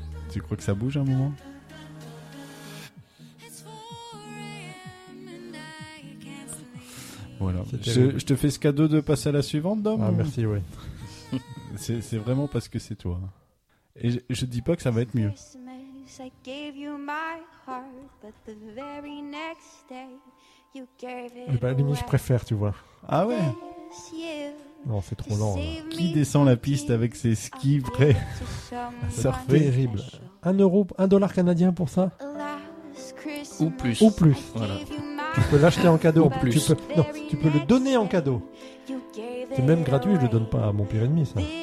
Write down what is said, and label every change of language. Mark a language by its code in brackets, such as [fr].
[fr] Tu crois que ça bouge un moment? Voilà. Je te fais ce cadeau de passer à la suivante, Dom. Ah, merci, oui. c'est vraiment parce que c'est toi. Et je dis pas que ça va être mieux. [en] place I gave you my heart, but the very next day you gave it away. [fr] Bah, je préfère, tu vois. Ah ouais. Non, c'est trop lent. Qui descend la piste avec ses skis prêts à surfer? Terrible. Un euro, un dollar canadien pour ça? Ou plus. Ou plus. Voilà. Tu peux l'acheter en cadeau. Ou plus. Tu peux, non, tu peux le donner en cadeau. C'est même gratuit, je le donne pas à mon pire ennemi, ça.